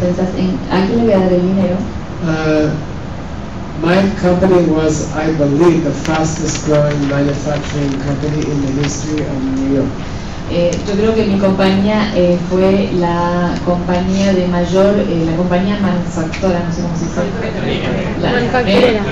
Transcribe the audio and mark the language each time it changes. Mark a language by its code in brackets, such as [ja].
[es] Pensas en a quién le voy a dar el dinero. [en] My company was, I believe, the fastest growing manufacturing company in the history of New York. [es] Yo creo que mi compañía fue la compañía de mayor, la compañía manufactora, no sé cómo se dice.